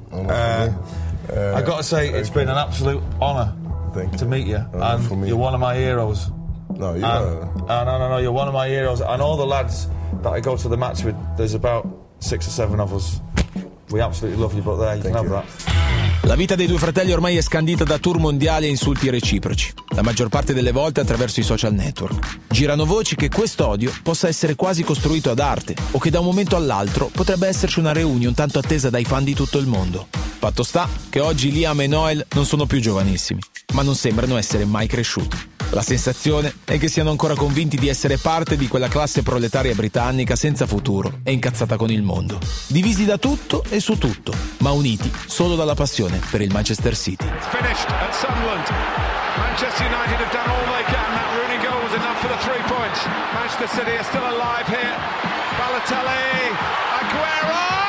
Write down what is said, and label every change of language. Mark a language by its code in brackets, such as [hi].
[en] I gotta say, it's been an absolute honor to meet you. And you're one of my heroes. No, you're one of my heroes. And all the lads that I go to the match with, there's about 6 or 7 of us. We absolutely love you, but there, you can have that. [it] La vita dei due fratelli ormai è scandita da tour mondiali e insulti reciproci, la maggior parte delle volte attraverso i social network. Girano voci che questo odio possa essere quasi costruito ad arte o che da un momento all'altro potrebbe esserci una reunion tanto attesa dai fan di tutto il mondo. Fatto sta che oggi Liam e Noel non sono più giovanissimi, ma non sembrano essere mai cresciuti. La sensazione è che siano ancora convinti di essere parte di quella classe proletaria britannica senza futuro e incazzata con il mondo. Divisi da tutto e su tutto, ma uniti solo dalla passione per il Manchester City. [en] Manchester United have done all they can. That Rooney goal was enough for the 3 points. Manchester City are still alive here. Balotelli, Aguero!